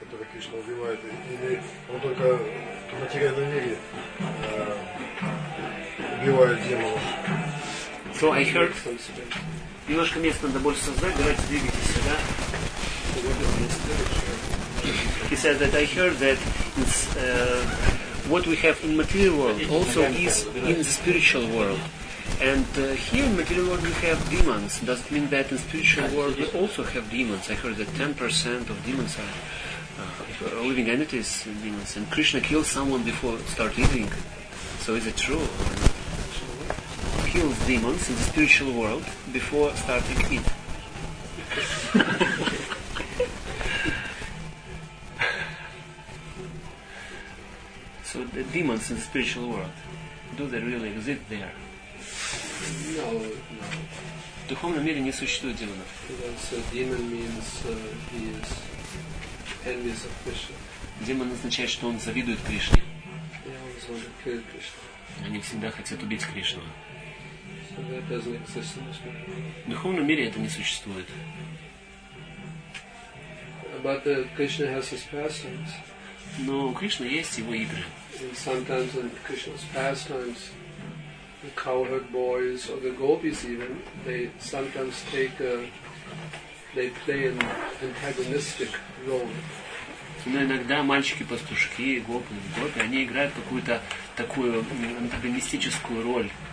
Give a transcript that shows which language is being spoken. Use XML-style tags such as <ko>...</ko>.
<ru>обычно убивает, или он только в материальном мире убивает демонов.</ru> <en>So I heard.</en> <ru>Немножко места надо больше создать, давайте двигайтесь сюда.</ru> <en>He says that I heard that it's, what we have in material world also is in the spiritual world. And here in material world we have demons. Does it mean that in spiritual world we also have demons? I heard that 10% of demons are living entities, demons. And Krishna kills someone before start eating. So is it true? Kills demons in the spiritual world before starting eat. So the demons in the spiritual world, do they really exist there? No.</en> <ru>В духовном мире не существует демонов.</ru> <en>So demon means he is envious of Krishna.</en> <ru>Демон означает, что он завидует Кришне.</ru> <en>Yeah, Krishna.</en> <ru>Они всегда хотят убить Кришну.</ru> <en>So</en> <ru>в духовном мире это не существует.</ru> <en>But Krishna has his pastimes.</en> <ru>Но у Кришны есть его игры.</ru> <en>And sometimes in Krishna's pastimes, the cowherd boys or the gopis even, they sometimes take they play an antagonistic role.</en> <ru>Но иногда мальчики-пастушки, гопи, они играют какую-то такую антагонистическую роль.</ru>